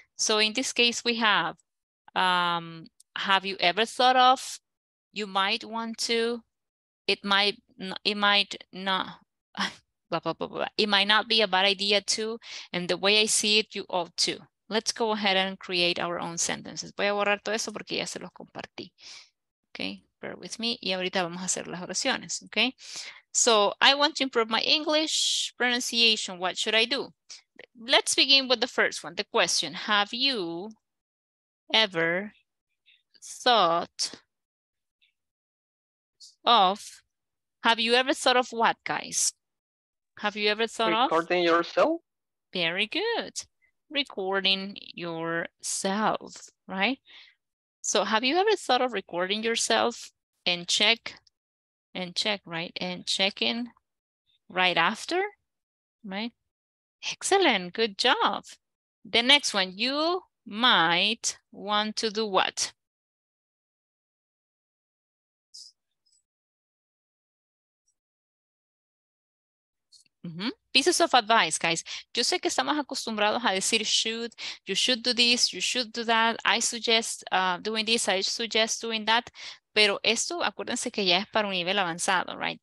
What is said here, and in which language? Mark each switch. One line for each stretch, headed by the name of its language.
English: So in this case, we have you ever thought of, you might want to, it might not, blah, blah, blah, blah. It might not be a bad idea to, and the way I see it, you ought to. Let's go ahead and create our own sentences.
Spanish: Voy a borrar todo eso porque ya se los compartí.
English: Okay, bear with me.
Spanish: Y ahorita vamos a hacer las oraciones, okay?
English: So I want to improve my English pronunciation. What should I do? Let's begin with the first one, the question. Have you ever thought of, have you ever thought of what, guys? Have you ever thought of? Recording yourself. Very good. Recording yourself, right? So have you ever thought of recording yourself and checking right after, right? Excellent, good job. The next one, you might want to do what? Mm-hmm. Pieces of advice, guys.
Spanish: Yo sé que estamos acostumbrados a decir
English: should, you should do this, you should do that, I suggest doing this, I suggest doing that.
Spanish: Pero esto, acuérdense que ya es para un nivel avanzado, right?